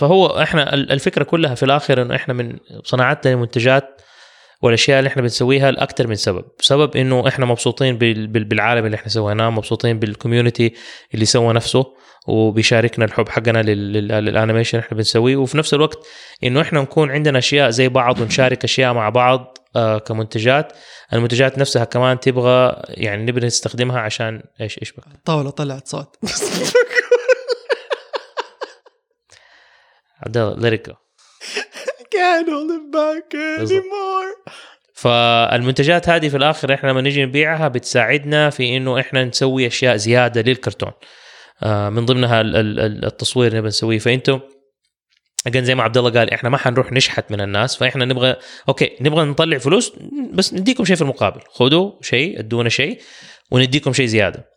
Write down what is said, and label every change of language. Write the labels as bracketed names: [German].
[Arabic] فهو إحنا الفكرة كلها في الآخر إنه إحنا من صناعتنا المنتجات والأشياء اللي إحنا بنسويها لأكثر من سبب إنه إحنا مبسوطين بالعالم اللي إحنا سويناه، مبسوطين بالكوميونتي اللي سوى نفسه وبيشاركنا الحب حقنا للأنيميشن إحنا بنسويه، وفي نفس الوقت إنه إحنا نكون عندنا أشياء زي بعض ونشارك أشياء مع بعض كمنتجات، المنتجات نفسها كمان تبغى يعني نبغى نستخدمها عشان إيش بقى. طاولة طلعت صوت. [English] عبد الله let it go. Can't hold it back anymore. [Arabic] فالمنتجات هذه في الآخر إحنا لما نجي نبيعها بتساعدنا في إنه إحنا نسوي أشياء زيادة للكرتون، من ضمنها التصوير اللي بنسويه. فأنتم أجن زي ما عبد الله قال إحنا ما حنروح نشحت من الناس، فإحنا نبغى أوكي نبغى نطلع فلوس بس نديكم شيء في المقابل، خدوا شيء ادونا شيء ونديكم شيء زيادة.